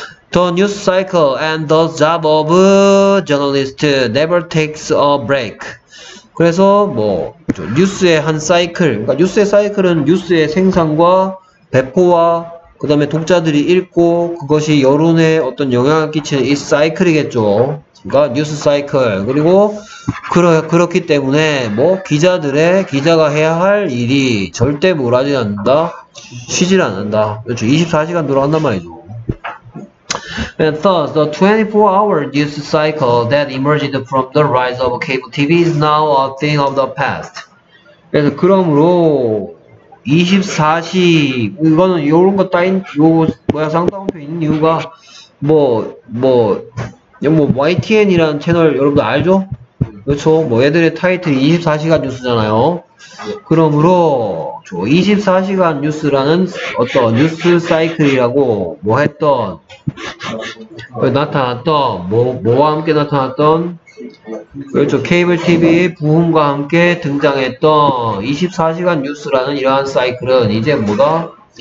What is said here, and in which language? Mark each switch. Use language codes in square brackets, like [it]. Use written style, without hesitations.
[en] The news cycle and the job of journalist never takes a break. [ko] 그래서 뭐 그렇죠. 뉴스의 한 사이클, 그러니까 뉴스의 사이클은 뉴스의 생산과 배포와 그 다음에 독자들이 읽고 그것이 여론에 어떤 영향을 끼치는 이 사이클이겠죠. 그러니까 뉴스 사이클. 그리고 그렇기 때문에 뭐 기자들의 기자가 해야 할 일이 절대 몰아지지 않는다, 쉬질 않는다. 그렇죠. 24시간 돌아간단 말이죠. [en] And thus, the 24-hour news cycle that emerged from the rise of cable TV is now a thing of the past. [ko] 그래서 그러므로 24시 이거는 이런 거 따인 요 뭐야 상담표 있는 이유가 뭐 YTN이라는 채널 여러분들 알죠? 그렇죠? 뭐 애들의 타이틀이 24시간 뉴스잖아요. 그러므로 저 24시간 뉴스라는 어떤 뉴스 사이클이라고 뭐 했던 나타났던 뭐와 함께 나타났던 그렇죠 케이블 TV의 부흥과 함께 등장했던 24시간 뉴스라는 이러한 사이클은 이제 뭐다?